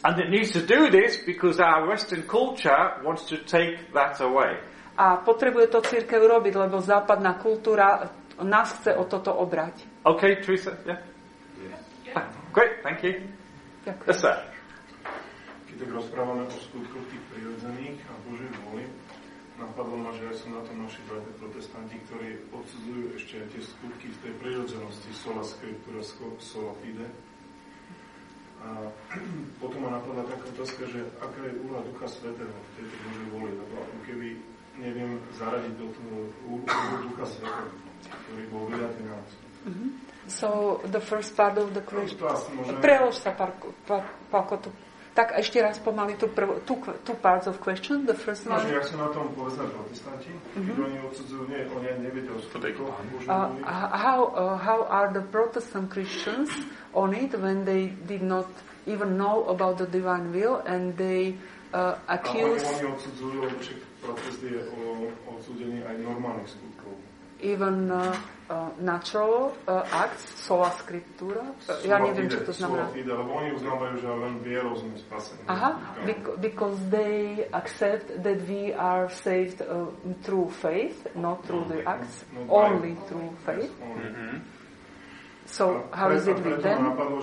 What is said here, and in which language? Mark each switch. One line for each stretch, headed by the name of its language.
English: And it needs to do this because our Western culture wants to take that away.
Slovak: A potrebuje to cirkev robiť, lebo západná kultúra nás chce o toto obrať.
English: Okay, Teresa, yeah. Great, thank you. Yes, sir.
Slovak: Keď tak rozprávame o skutkoch tých prirodzených a Božej vôli, napadlo ma, že aj sú na tom naši bratia protestanti, ktorí odsudzujú ešte aj tie skutky v tej prirodzenosti, sola scriptura, sola fide. A potom ma napadla taká otázka, že aká je úloha Ducha Svätého v tejto Božej vôli, lebo ako keby neviem zaradiť do toho úlohu Ducha Svätého, ktorý bol vyjadý na nás.
English: So the first part of the question.
Slovak: Prelož sa, Pálko, tu. Tak ešte raz pomaly
English: two parts of question, the first one.
Slovak: Ako sa na tom povedzme protestanti, ktorí oni odsudzujú, nie, oni aj nevedia o skutku.
English: How are the Protestant Christians on it when they did not even know about the divine will and they accuse...
Slovak: Ale oni odsudzujú, lebo však protest je o odsudení aj normálnych skutkov.
English: Even natural acts,
Slovak: sola scriptura. Ja neviem, čo to znamená. Oni uznávajú, že len vierou sme spasení.
English: Aha, because they accept that we are saved through faith, not through the acts, only through faith. So how is it with them?